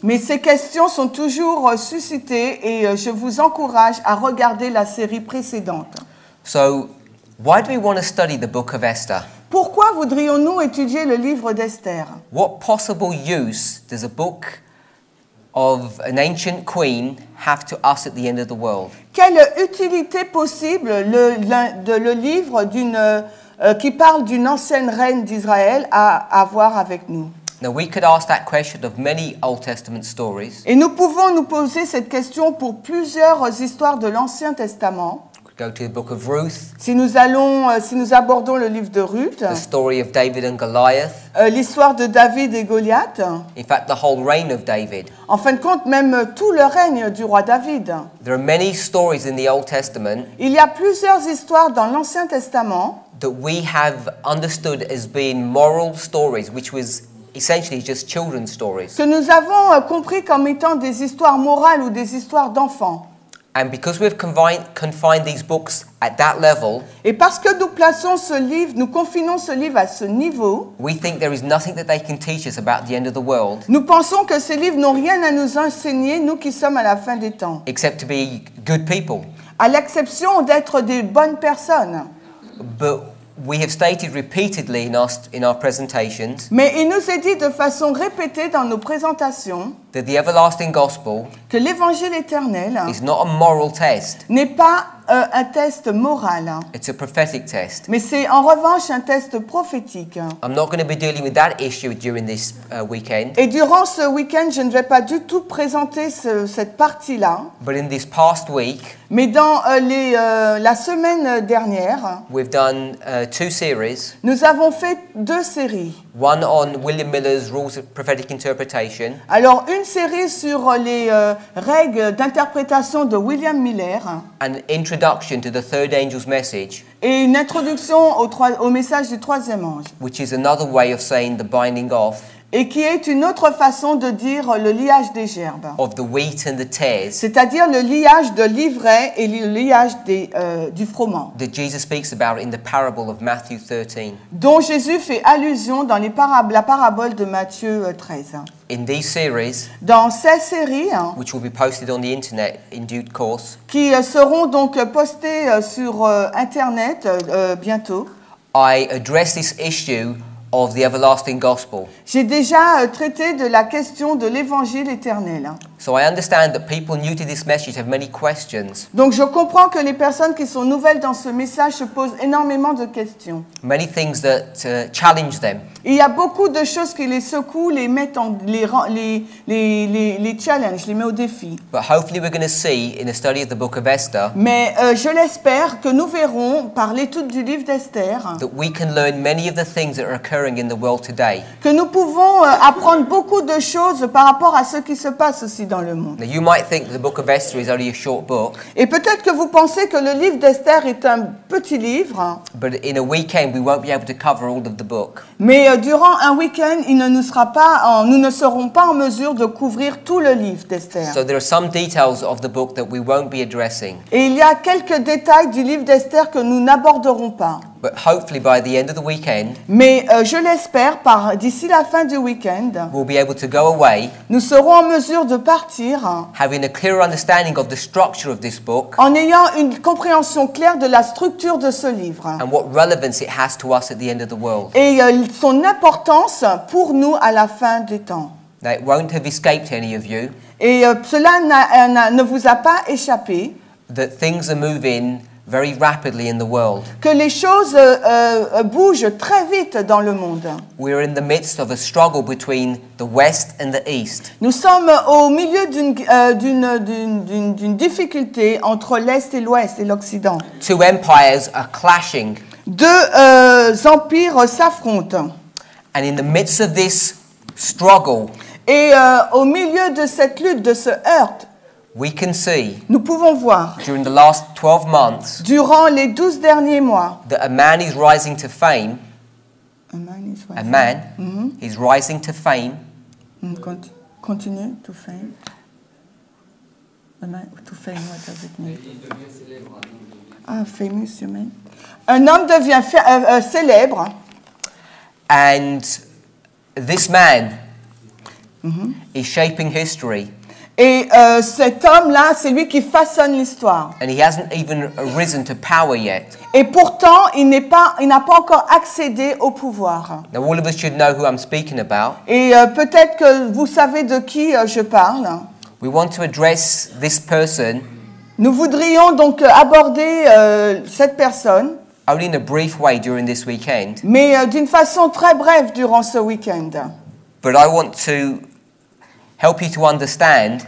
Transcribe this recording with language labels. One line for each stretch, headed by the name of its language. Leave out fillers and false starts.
French: Mais ces questions sont toujours suscitées et je vous encourage à regarder la série précédente.
English: So, why do we want to study the book of Esther?
French: Pourquoi voudrions-nous étudier le livre d'Esther?
English: What possible use does a book of an ancient queen have to us at the end of the world?
French: Quelle utilité possible le livre d'une qui parle d'une ancienne reine d'Israël à avoir avec nous?
English: Now we could ask that question of many Old Testament stories.
French: Et nous pouvons nous poser cette question pour plusieurs histoires de l'Ancien Testament.
English: Go to the book of Ruth.
French: Si nous abordons le livre de Ruth.
English: The story of David and Goliath.
French: L'histoire de David et Goliath.
English: In fact, the whole reign of David.
French: En fin de compte, même tout le règne du roi David.
English: There are many stories in the Old Testament.
French: Il y a plusieurs histoires dans l'Ancien Testament.
English: That we have understood as being moral stories, which was essentially just children's stories.
French: Que nous avons compris comme étant des histoires morales ou des histoires d'enfants.
English: And because we've confined these books at that level,
French: et parce que nous plaçons ce livre, nous confinons ce livre à ce niveau,
English: we think there is nothing that they can teach us about the end of the world.
French: Nous pensons que ces livres n'ont rien à nous enseigner, nous qui sommes à la fin des temps.
English: Except to be good people.
French: À l'exception d'être des bonnes personnes.
English: But we have stated repeatedly in our presentations.
French: Mais il nous est dit de façon répétée dans nos présentations.
English: That the everlasting gospel.
French: Que l'évangile éternel.
English: Is not a moral test.
French: N'est pas un test moral.
English: It's a prophetic test.
French: Mais c'est en revanche un test prophétique.
English: I'm not going to be dealing with that issue during this weekend.
French: Et durant ce week-end, je ne vais pas du tout présenter cette partie-là.
English: But in this past week.
French: Mais dans la semaine dernière.
English: We've done two series.
French: Nous avons fait deux séries.
English: One on William Miller's rules of prophetic interpretation.
French: Alors une série sur les règles d'interprétation de William Miller.
English: An introduction to the third angel's message.
French: Et une introduction au message du troisième ange.
English: Which is another way of saying the binding off.
French: Et qui est une autre façon de dire le liage des gerbes.
English: Of the wheat and the tares.
French: C'est-à-dire le liage de l'ivraie et le liage du froment.
English: That Jesus speaks about in the parable of Matthew 13.
French: Dont Jésus fait allusion dans la parabole de Matthieu 13.
English: In these series,
French: dans ces séries, hein,
English: which will be posted on the internet in due course,
French: qui seront donc postées sur internet bientôt,
English: I address this issue of the everlasting gospel.
French: J'ai déjà traité de la question de l'évangile éternel.
English: So I understand that people new to this message have many questions.
French: Donc je comprends que les personnes qui sont nouvelles dans ce message se posent énormément de questions.
English: Many things that challenge them.
French: Il y a beaucoup de choses qui les secouent, les mettent en les challenge, les met au défi.
English: But hopefully we're going to see in a study of the book of Esther.
French: Mais je l'espère que nous verrons par l'étude du livre d'Esther
English: that we can learn many of the things that are occurring in the world today.
French: Que nous pouvons apprendre beaucoup de choses par rapport à ce qui se passe aussi dans le monde.
English: Now you might think the book of Esther is only a short book.
French: Et peut-être que vous pensez que le livre d'Esther est un petit livre.
English: But in a weekend we won't be able to cover all of the book.
French: Mais durant un week-end, nous ne serons pas en mesure de couvrir tout le livre d'Esther.
English: So there are some details of the book that we won't be addressing.
French: Et il y a quelques détails du livre d'Esther que nous n'aborderons pas.
English: But hopefully by the end of the weekend.
French: Mais je l'espère d'ici la fin du week-end.
English: We'll be able to go away.
French: Nous serons en mesure de partir.
English: Having a clearer understanding of the structure of this book.
French: En ayant une compréhension claire de la structure de ce livre.
English: And what relevance it has to us at the end of the world.
French: Et son importance pour nous à la fin des temps.
English: Now it won't have escaped any of you.
French: Et cela ne vous a pas échappé.
English: That things are moving very rapidly in the world.
French: Que les choses bougent très vite dans le monde.
English: We are in the midst of a struggle between the West and the East.
French: Nous sommes au milieu d'une difficulté entre l'Est et l'Ouest et l'Occident.
English: Two empires are clashing.
French: Deux empires s'affrontent.
English: And in the midst of this struggle.
French: Et au milieu de cette lutte, de ce heurte.
English: We can see.
French: Nous pouvons voir.
English: During the last 12 months.
French: Durant les 12 derniers mois.
English: That a man is rising to fame. A man is rising. A man is rising to fame. Continue to fame. A man to fame, what does it mean? Ah, famous, you mean?
French: Un homme devient célèbre.
English: And this man is shaping history.
French: Et cet homme-là, c'est lui qui façonne l'histoire.
English: And he hasn't even risen to power yet.
French: Et pourtant, il n'a pas encore accédé au pouvoir.
English: Now all of us should know who I'm speaking about.
French: Et peut-être que vous savez de qui je parle.
English: We want to address this person.
French: Nous voudrions donc aborder cette personne.
English: Only in a brief way during this weekend.
French: Mais d'une façon très brève durant ce week-end.
English: But I want to help you to understand